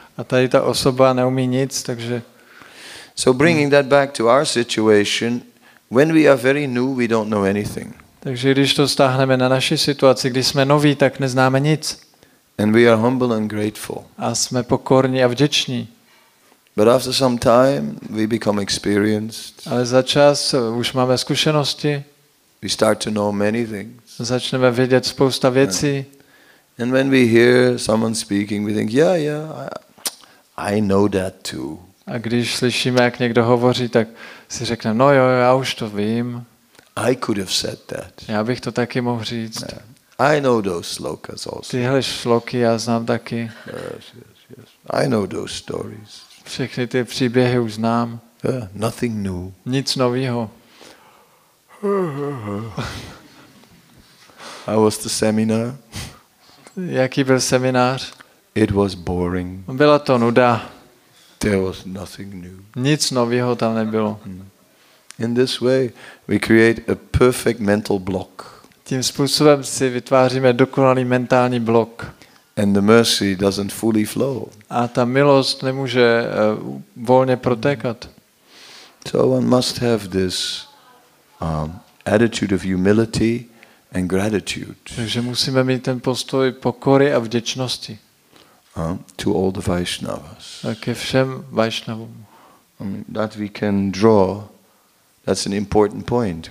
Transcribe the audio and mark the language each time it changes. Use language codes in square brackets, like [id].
[cs] A tady ta osoba neumí nic, takže... [en] So bringing that back to our situation, when we are very new, we don't know anything. [cs] Takže když to stáhneme na naši situaci, když jsme noví, tak neznáme nic. [en] And we are humble and grateful. [cs] A jsme pokorní a vděční. [en] But after some time, we become experienced. [cs] Ale za čas už máme zkušenosti. [en] We start to know many things. [cs] Začneme vědět spousta věcí. [en] And when we hear someone speaking, we think, yeah, yeah, I know that too. [cs] A když slyšíme, jak někdo hovoří, tak si řekneme, no jo, já už to vím. [en] I could have said that. [cs] Já bych to taky mohl říct. [en] Yeah. I know those slokas also. [cs] Tyhle šloky já znám taky. [en] Yes, yes, yes. I know those stories. [cs] Všechny ty příběhy už znám. [en] Yeah, nothing new. [cs] Nic novýho. [en] How was the seminar? [cs] Jaký byl seminář? [en] It was boring. [cs] Byla to nuda. [en] There was nothing new. [cs] Nic novýho tam nebylo. [en] In this way, we create a perfect mental block. [cs] Tím způsobem si vytváříme dokonalý mentální blok. [en] And the mercy doesn't fully flow. [cs] A ta milost nemůže volně protékat. [en] So one must have this attitude of humility and gratitude. [cs] Takže musíme mít ten postoj pokory a vděčnosti. [en] To all the Vaishnavas. [cs] A ke všem Vaishnavům. [en] I mean, that we can draw, that's an important point.